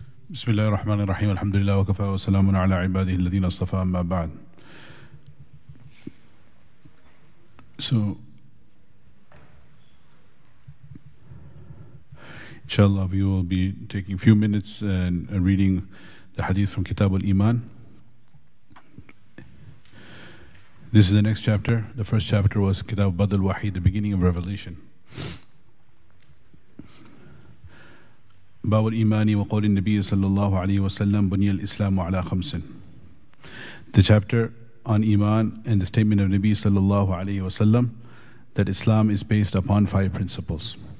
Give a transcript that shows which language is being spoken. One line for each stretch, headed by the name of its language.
Arabic: بسم الله الرحمن الرحيم الحمد لله وكفى وسلام على عباده الذين اصطفى ما بعد.
English: So inshallah we will be taking a few minutes and reading the hadith from Kitab al-Iman. This is the next chapter. The first chapter was Kitab Badr al-Wahid, the beginning of revelation.
Arabic: باب الإيمان وقول النبي صلى الله عليه وسلم بني الإسلام على خمس.
English: The chapter on Iman and the statement of Nabi
Arabic: صلى الله عليه وسلم
English: that Islam is based upon five principles.